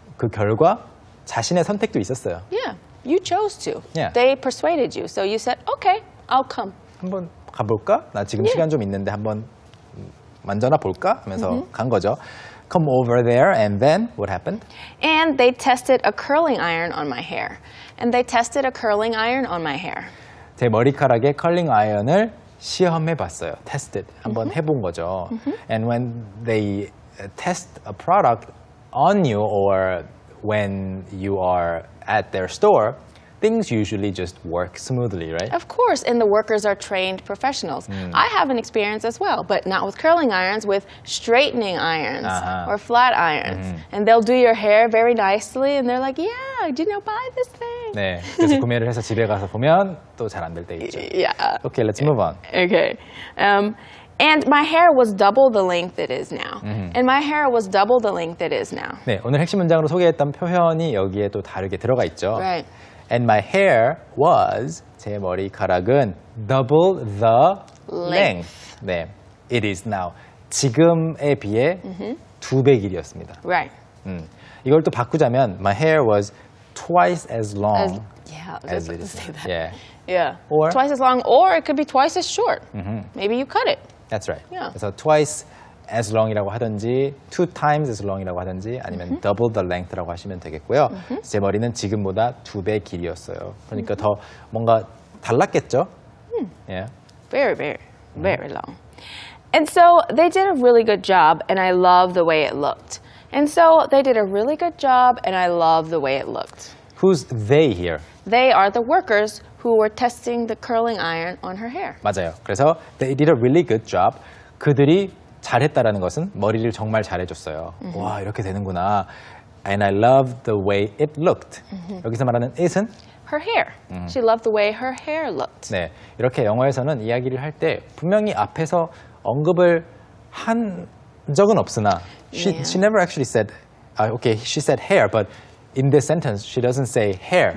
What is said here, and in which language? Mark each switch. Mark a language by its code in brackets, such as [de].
[ko] 그 결과 자신의 선택도 있었어요. [en] Yeah. You chose to. Yeah. They persuaded you. So you said, okay, I'll come. [ko] 한번 가볼까? 나 지금 yeah. 시간 좀 있는데 한번 만져나 볼까? 하면서 [en] mm-hmm. [ko] 간 거죠. [en] Come over there and then what happened? And they tested a curling iron on my hair. And they tested a curling iron on my hair. [ko] 제 머리카락에 curling iron을 시험해 봤어요. Tested. 한번 mm-hmm. 해본 거죠. Mm-hmm. [en] And when they test a product on you or when you are at their store, things usually just work smoothly, right? Of course, and the workers are trained professionals. Mm. I have an experience as well, but not with curling irons, with straightening irons uh-huh. or flat irons. Mm. And they'll do your hair very nicely, and they're like, yeah, you know, buy this thing. [ko] 네, 그래서 구매를 해서 집에 가서 보면 또 잘 안 될 때 있죠. [en] Yeah. Okay, let's move on. Okay. And my hair was double the length it is now. Mm-hmm. And my hair was double the length it is now. [ko] 네, 오늘 핵심 문장으로 소개했던 표현이 여기에 또 다르게 들어가 있죠. [en] Right. And my hair was, [ko] 제 머리카락은 [en] double the length. Length. [ko] 네, [en] it is now. [ko] 지금에 비해 mm-hmm. 두 배 길이었습니다. [en] Right. [ko] 이걸 또 바꾸자면, [en] my hair was twice as long as, yeah, as it is say now. That. Yeah. Yeah. Or, twice as long, or it could be twice as short. Mm-hmm. Maybe you cut it. That's right. Yeah. [ko] 그래서 [en] twice as long [ko] 이라고 하든지 [en] two times as long [ko] 이라고 하든지 아니면 mm-hmm. [en] double the length [ko] 라고 하시면 되겠고요. Mm-hmm. 제 머리는 지금보다 두 배 길이었어요. 그러니까 mm-hmm. 더 뭔가 달랐겠죠? [en] Mm. Yeah. Very, very, very long. And so they did a really good job and I love the way it looked. And so they did a really good job and I love the way it looked. Who's they here? They are the workers who were testing the curling iron on her hair. [ko] 맞아요. 그래서 [en] they did a really good job. [ko] 그들이 잘했다라는 것은 머리를 정말 잘해줬어요. Mm-hmm. 와, 이렇게 되는구나. [en] And I love the way it looked. [ko] Mm-hmm. 여기서 말하는 it은? [en] Her hair. Mm-hmm. She loved the way her hair looked. [ko] 네, 이렇게 영어에서는 이야기를 할 때 분명히 앞에서 언급을 한 적은 없으나 [en] she never actually said, okay, she said hair, but in this sentence, she doesn't say hair.